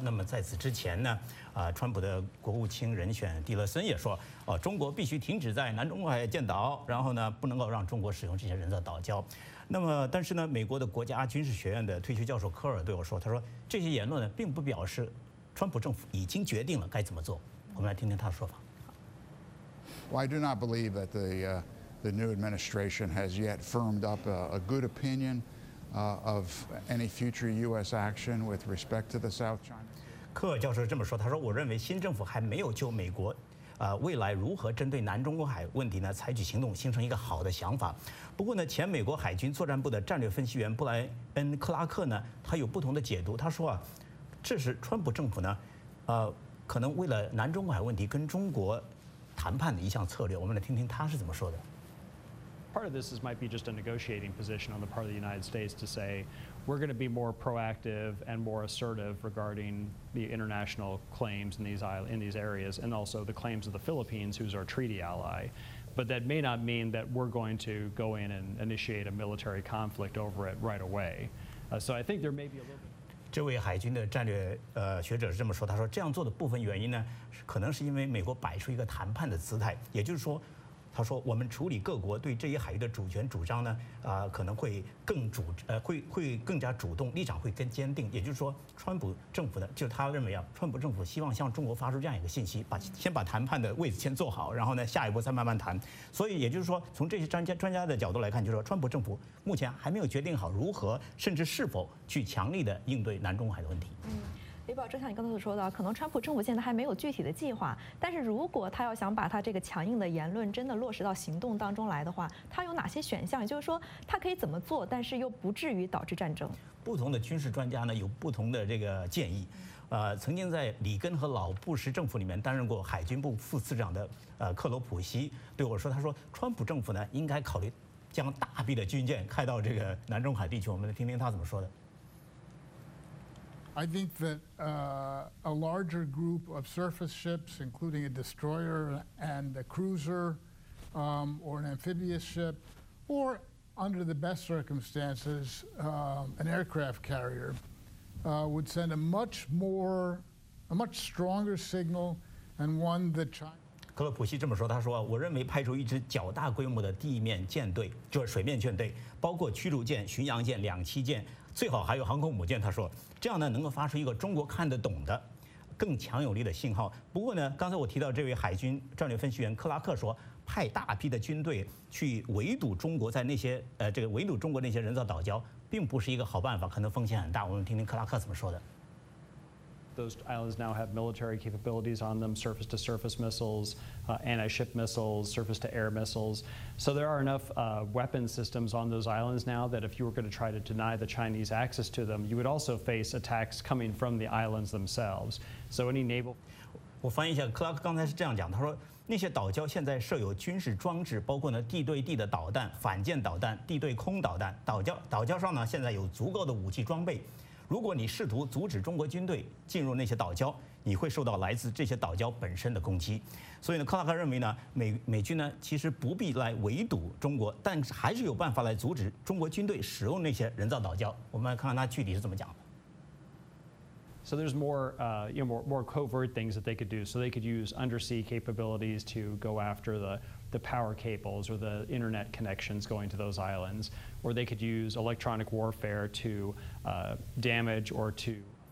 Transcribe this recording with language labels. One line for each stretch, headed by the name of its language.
Chinese: 那么在此之前呢，川普的国务卿人选蒂勒森也说，中国必须停止在南中国海建岛，然后呢，不能够让中国使用这些人造岛礁。那么，但是呢，美国的国家军事学院的退休教授科尔对我说，他说这些言论呢，并不表示川普政府已经决定了该怎么做。我们来听听他的说法。
English: Well, I do not believe that the new administration has yet firmed up a good opinion of any future U.S. action with respect to the South China.
Chinese: 科尔教授这么说，他说我认为新政府还没有就美国未来如何针对南中国海问题呢采取行动形成一个好的想法。不过呢，前美国海军作战部的战略分析员布莱恩·克拉克呢，他有不同的解读。他说啊，这是川普政府呢，可能为了南中国海问题跟中国谈判的一项策略。我们来听听他是怎么说的。
English: Part of this is might be just a negotiating position on the part of the United States to say we're going to be more proactive and more assertive regarding the international claims in these areas and also the claims of the Philippines, who's our treaty ally. But that may not mean that we're going to go in and initiate a military conflict over it right away. So I think there may be a little bit.
Chinese: 这位海军的战略学者是这么说，他说这样做的部分原因呢，可能是因为美国摆出一个谈判的姿态，也就是说，他说我们处理各国对这一海域的主权主张呢，可能会更主会更加主动，立场会更坚定。也就是说，川普政府呢，就是他认为啊，川普政府希望向中国发出这样一个信息，先把谈判的位置先做好，然后呢，下一步再慢慢谈。所以也就是说，从这些专家的角度来看，就是说川普政府目前还没有决定好如何甚至是否去强力的应对南中国海的问题。李宝，正像你刚才所说的，可能川普政府现在还没有具体的计划，但是如果他要想把他这个强硬的言论真的落实到行动当中来的话，他有哪些选项？也就是说，他可以怎么做，但是又不至于导致战争？不同的军事专家呢，有不同的这个建议。曾经在里根和老布什政府里面担任过海军部副司长的克罗普西对我说，他说川普政府呢，应该考虑将大批的军舰开到这个南中海地区。我们来听听他怎么说的。
English: I think that a larger group of surface ships, including a destroyer and a cruiser, or an amphibious ship, or under the best circumstances, an aircraft carrier, would send a much stronger signal and one that China...
Chinese: 克洛普西这么说，他说我认为派出一支较大规模的地面舰队，就是水面舰队，包括驱逐舰、巡洋舰、两栖舰，最好还有航空母舰，他说这样呢能够发出一个中国看得懂的更强有力的信号。不过呢，刚才我提到这位海军战略分析员克拉克说，派大批的军队去围堵中国在那些围堵中国那些人造岛礁并不是一个好办法，可能风险很大。我们听听克拉克怎么说的。
English: Those islands now have military capabilities on them, surface-to-surface missiles, anti-ship missiles, surface-to-air missiles. So there are enough weapon systems on those islands now that if you were going to try to deny the Chinese access to them, you would also face attacks coming from the islands themselves. So any naval...
Chinese: 我翻译一下 ,Clark 刚才是这样讲，他说那些岛礁现在设有军事装置，包括呢地对地的导弹、反舰导弹、地对空导弹，岛礁上呢现在有足够的武器装备。如果你试图阻止中国军队进入那些岛礁，你会受到来自这些岛礁本身的攻击。所以呢，克拉克认为呢，美军呢其实不必来围堵中国，但还是有办法来阻止中国军队使用那些人造岛礁。我们来看看他具体是怎么讲的。
English: So there's more covert things that they could do. So they could use undersea capabilities to go after the power cables or the internet connections going to those islands, or they could use electronic warfare to damage or to.